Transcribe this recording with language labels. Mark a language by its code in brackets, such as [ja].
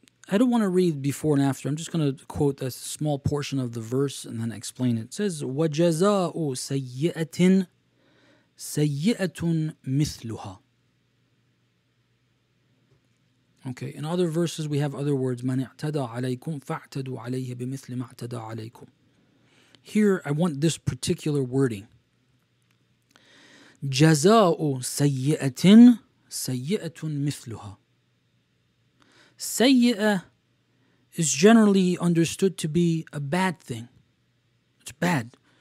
[en] I don't want to read before and after. I'm just going to quote a small portion of the verse and then explain it. It says, [ar] وَجَزَاءُ سَيِّئَةٍ سَيِّئَةٌ مِثْلُهَا. [en] Okay, in other verses we have other words, [ar] مَنْ اَعْتَدَى عَلَيْكُمْ فَاعْتَدُوا عَلَيْهِ بِمِثْلِ مَا اَعْتَدَى عَلَيْكُمْ. [en] Here, I want this particular wording. [ar] جَزَاءُ سَيِّئَةٍ سَيِّئَةٌ مِثْلُهَا. [en] سَيِّئَة is generally understood to be a bad thing. It's bad.